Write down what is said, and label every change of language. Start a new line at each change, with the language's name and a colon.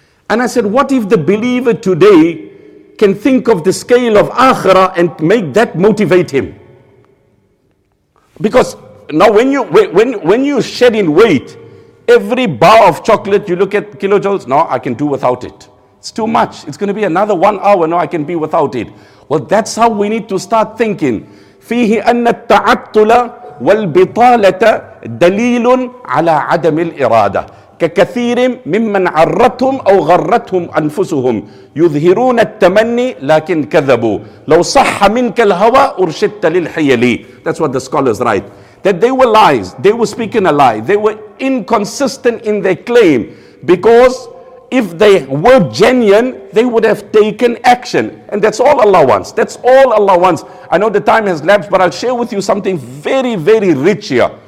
English: And I said, what if the believer today can think of the scale of Akhirah and make that motivate him? Because now when you're shedding weight, every bar of chocolate, you look at kilojoules, no, I can do without it. It's too much. It's going to be another 1 hour. No, I can be without it. Well, that's how we need to start thinking.
Arabic: فيه أن التعطل والبطالة دليل على عدم الإرادة ككثير ممن عرتهم أو غرتهم أنفسهم يظهرون التمني لكن كذبوا لو صح منك الهوى أرشدت للحيلي.
English: That's what the scholars write. That they were lies. They were speaking a lie. They were inconsistent in their claim. Because if they were genuine, they would have taken action. And that's all Allah wants. That's all Allah wants. I know the time has lapsed, but I'll share with you something very, very rich here.